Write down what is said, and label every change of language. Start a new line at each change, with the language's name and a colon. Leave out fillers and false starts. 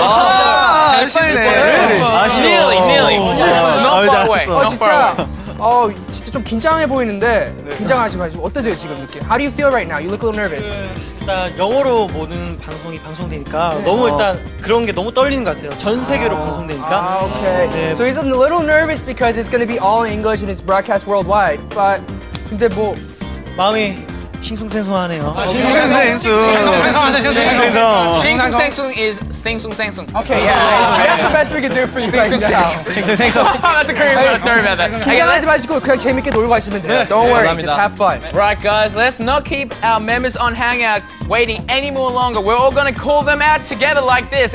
Korean: 아쉽네. 아쉽네.
English: Nearly. Not far away.
Korean: 진짜 좀 긴장해 보이는데 긴장하지 마시고 어떠세요 지금 느낌?
English: How do you feel right now? You look a little nervous.
Korean: 일단 영어로 모든 방송이 방송되니까 너무 일단 그런 게 너무 떨리는 것 같아요. 전 세계로 방송되니까.
English: So he's a little nervous because it's going to be all in English and it's broadcast worldwide. But
Korean: 근데 뭐 마음이 싱숭생숭하네요. 싱숭생숭 is 싱숭생숭.
English: Okay, yeah. That's the best we can do for you guys.
Korean: 싱숭생숭.
English: That's a Korean word. Sorry about that.
Korean: 긴장하지 마시고 그냥 재밌게 놀고 하시면 돼요.
English: Don't worry. Just have fun. Right, guys. Let's not keep our members on Hangout waiting any more longer. We're all gonna call them out together like this.